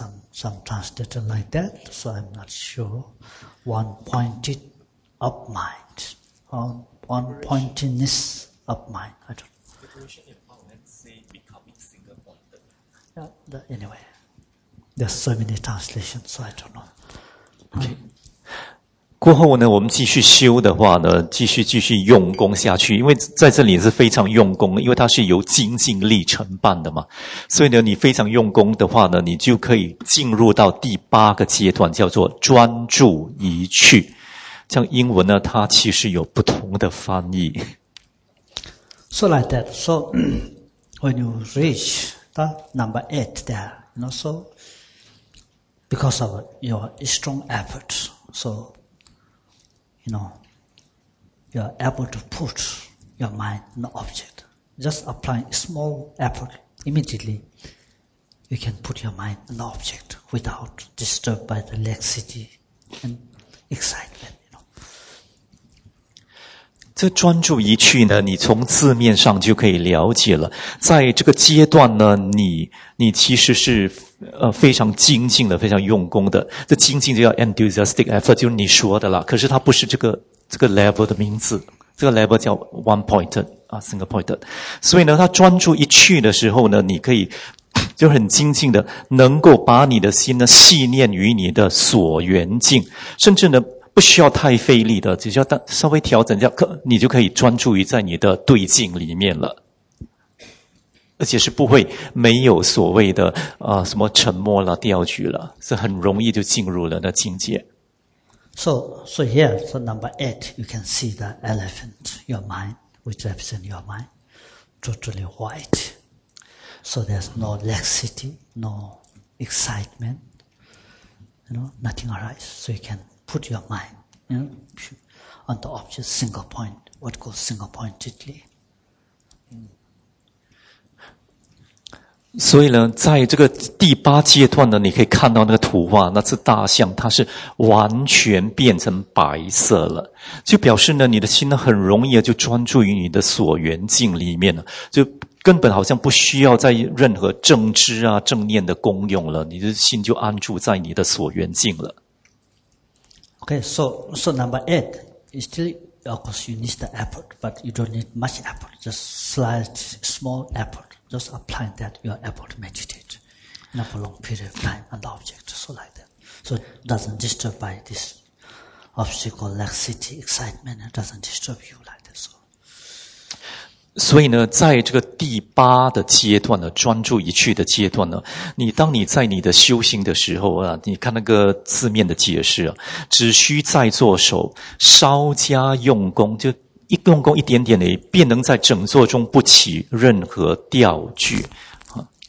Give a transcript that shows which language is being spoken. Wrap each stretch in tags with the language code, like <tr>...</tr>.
<en>Some translator like that, so I'm not sure. One pointed up mind. One pointedness of mind. I don't know. Anyway, there's so many translations, so I don't know. Okay.</en> <zh>过后呢，我们继续修的话呢，继续用功下去，因为在这里是非常用功，因为它是由精进力承办的嘛，所以呢，你非常用功的话呢，你就可以进入到第八个阶段，叫做专注一趣。像英文呢，它其实有不同的翻译。</zh> <en>So like that. So when you reach the number eight there, you know, so because of your strong effort, so you know, you are able to put your mind on the object. Just applying small effort, immediately you can put your mind on the object without disturbed by the laxity and excitement.</en> <zh>这专注一趣呢，你从字面上就可以了解了。在这个阶段呢，你其实是非常精进的，非常用功的。这精进就叫 enthusiastic effort， 就是你说的啦。可是它不是这个 level 的名字，这个 level 叫 one pointed 啊 ，single pointed。所以呢，它专注一趣的时候呢，你可以就很精进的，能够把你的心呢系念于你的所缘境，甚至呢。不需要太费力的，只需要稍微调整一下，你就可以专注于在你的对境里面了，而且是不会没有所谓的什么沉默了、掉举了，是很容易就进入了那境界。</zh> <en>So here, so number eight, you can see the elephant, your mind, which represents your mind, totally white. So there's no laxity, no excitement, you know, nothing arises, so you can. Put your mind, you know, on the object, single point, what goes single pointedly.</en> <zh>所以呢，在这个第八阶段呢，你可以看到那个图画，那只大象它是完全变成白色了，就表示呢，你的心呢很容易就专注于你的所缘境里面了，就根本好像不需要在任何正知啊、正念的功用了，你的心就安住在你的所缘境了。</zh> <en>Okay, so number eight is still, of course, you need the effort, but you don't need much effort, just slight, small effort, just applying that, your effort to meditate, not for a long period of time on the object, so like that. So it doesn't disturb by this obstacle, laxity, excitement, it doesn't disturb you like that, so.</en> <zh>所以呢，在这个第八的阶段呢，专注一趣的阶段呢，你当你在你的修行的时候啊，你看那个字面的解释啊，只需在座手稍加用功，就一用功一点点的，便能在整座中不起任何掉举啊。</zh>